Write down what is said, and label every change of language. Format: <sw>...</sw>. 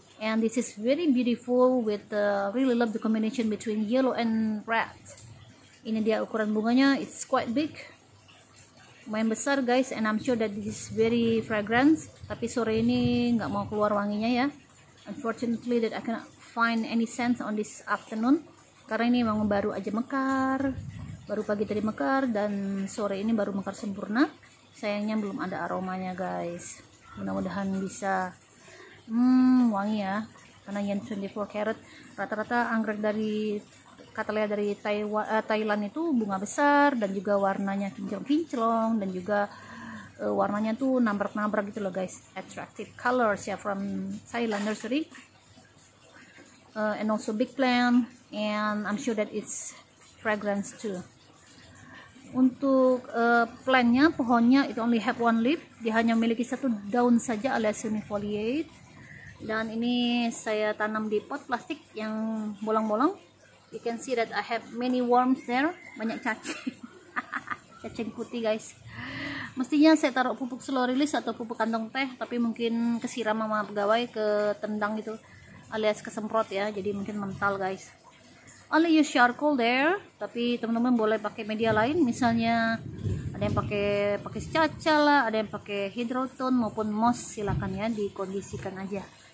<en>And this is very beautiful with really love the combination between yellow and red.</en> <id>Ini dia ukuran bunganya,</id> <en>it's quite big,</en> <id>main besar guys.</id> <en>And I'm sure that this is very fragrant.</en> <id>Tapi sore ini nggak mau keluar wanginya ya.</id> <en>Unfortunately that I cannot find any sense on this afternoon,</en> <id>karena ini memang baru aja mekar, baru pagi tadi mekar dan sore ini baru mekar sempurna. Sayangnya belum ada aromanya guys. Mudah-mudahan bisa wangi ya, karena yang 24 karat rata-rata anggrek dari katalea dari Thailand itu bunga besar dan juga warnanya kinclong-kinclong dan juga warnanya tuh nambrak-nambrak gitu loh guys,</id> <en>attractive colors ya from Thailand nursery. And also big plant, and I'm sure that it's fragrance too.</en> <id>Untuk plantnya, pohonnya</id> <en>it only have one leaf,</en> <id>dia hanya memiliki satu daun saja alias unifoliate. Dan ini saya tanam di pot plastik yang bolong-bolong.</id> <en>You can see that I have many worms there,</en> <id>banyak cacing, cacing putih</id> <en>guys.</en> <id>Mestinya saya taruh pupuk slow release atau pupuk kantong teh, tapi mungkin kesiram sama pegawai, ketendang gitu, alias kesemprot ya, jadi mungkin mental guys.</id> <en>Only use charcoal there,</en> <id>tapi teman-teman boleh pakai media lain, misalnya ada yang pakai caca lah, ada yang pakai hydrotone maupun moss, silakan ya dikondisikan aja.</id>